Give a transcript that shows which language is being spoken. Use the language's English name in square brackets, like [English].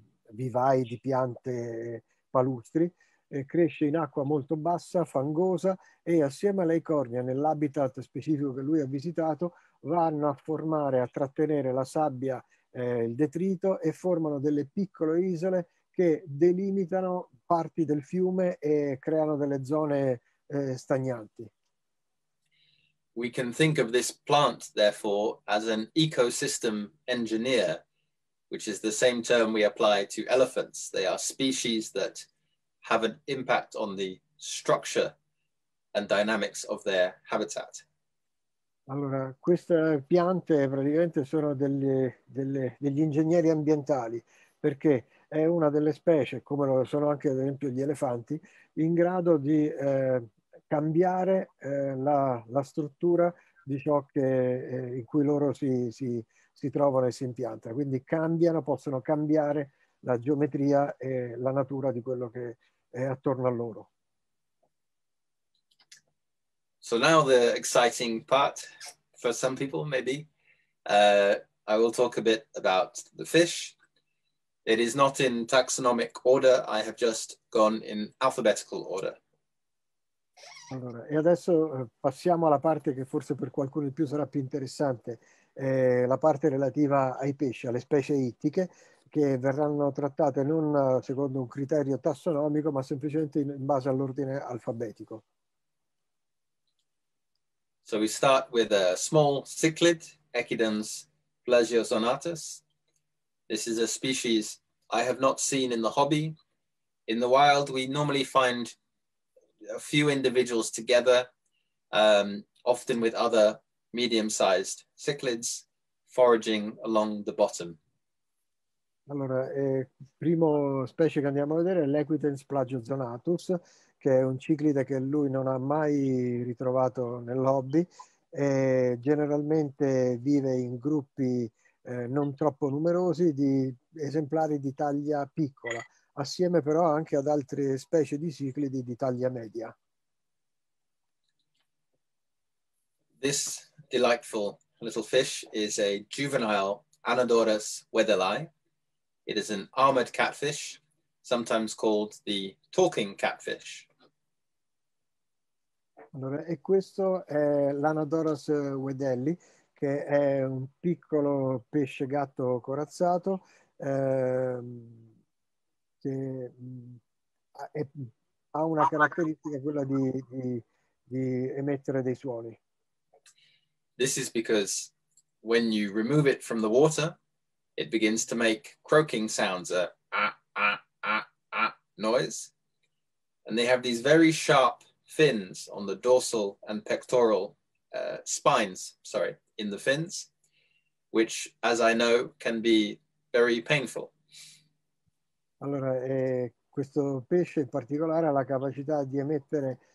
[Italian] vivai di piante palustri, cresce in acqua molto bassa, fangosa, e assieme alla Icornia, nell'habitat specifico che lui ha visitato, vanno a formare, a trattenere la sabbia, il detrito, e formano delle piccole isole che delimitano parti del fiume e creano delle zone stagnanti. [English] We can think of this plant, therefore, as an ecosystem engineer, which is the same term we apply to elephants. They are species that have an impact on the structure and dynamics of their habitat. [Italian] Allora, queste piante praticamente sono degli ingegneri ambientali, perché è una delle specie, come lo sono anche ad esempio gli elefanti, in grado di cambiare la struttura di ciò che in cui loro si trovano e si impiantano. Quindi cambiano, possono cambiare la geometria e la natura di quello che è attorno a loro. [English] So now the exciting part for some people, maybe. I will talk a bit about the fish. It is not in taxonomic order, I have just gone in alphabetical order. [Italian] Allora, e adesso passiamo alla parte che forse per qualcuno di più sarà più interessante, la parte relativa ai pesci, alle specie ittiche, che verranno trattate non secondo un criterio tassonomico, ma semplicemente in base all'ordine alfabetico. [English] So we start with a small cichlid, Echidens plagiozonatus. This is a species I have not seen in the hobby. In the wild, we normally find a few individuals together, often with other medium-sized cichlids foraging along the bottom. [Italian] Allora, primo specie che andiamo a vedere è l'Equitens plagiozonatus, che è un ciclide che lui non ha mai ritrovato nel hobby. Generalmente vive in gruppi non troppo numerosi di esemplari di taglia piccola, assieme però anche ad altre specie di ciclidi di taglia media. [English] This delightful little fish is a juvenile Anadorus weatherli. It is an armored catfish, sometimes called the talking catfish. [Italian] Allora, e questo è l'Anadorus weatherli, che è un piccolo pesce gatto corazzato, che ha una caratteristica, quella di emettere dei suoni. [English] This is because when you remove it from the water, it begins to make croaking sounds, a ah, ah, ah, ah noise. And they have these very sharp fins on the dorsal and pectoral spines, sorry, in the fins, which, as I know, can be very painful. [Italian] Allora, questo pesce in particolare ha la capacità di emettere